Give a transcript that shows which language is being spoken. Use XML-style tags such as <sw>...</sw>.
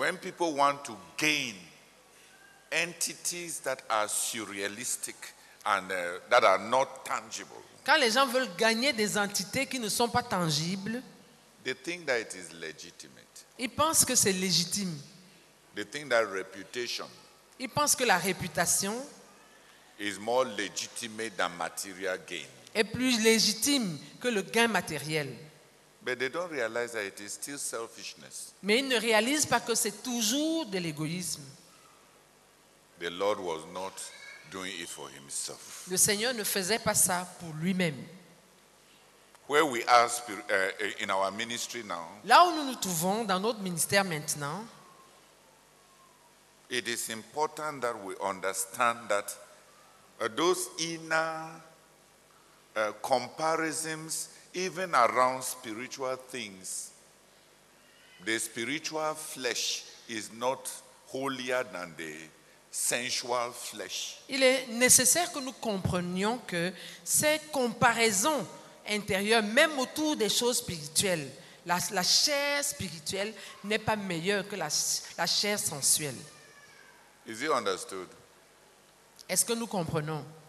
<en>When people want to gain entities that are surrealistic and that are not tangible.</en> <fr>Quand les gens veulent gagner des entités qui ne sont pas tangibles,</fr> <en>they think that it is legitimate.</en> <fr>Ils pensent que c'est légitime.</fr> <en>They think that reputation.</en> <fr>Ils pensent que la réputation</fr> <en>is more legitimate than material gain.</en> <fr>Est plus légitime que le gain matériel.</fr> <en>But they don't realize that it is still selfishness.</en> <fr>Mais ils ne réalisent pas que c'est toujours de l'égoïsme.</fr> <en>The Lord was not doing it for himself.</en> <fr>Le Seigneur ne faisait pas ça pour lui-même.</fr> <en>Where we are in our ministry now.</en> <fr>Là où nous nous trouvons dans notre ministère maintenant.</fr> <en>It is important that we understand that those inner comparisons, even around spiritual things, the spiritual flesh is not holier than the sensual flesh.</en> <fr>Il est nécessaire que nous comprenions que ces comparaisons intérieures, même autour des choses spirituelles, La chair spirituelle n'est pas meilleure que la chair sensuelle.</fr> <en>Is it understood?</en> <fr>Est-ce que nous comprenons?</fr>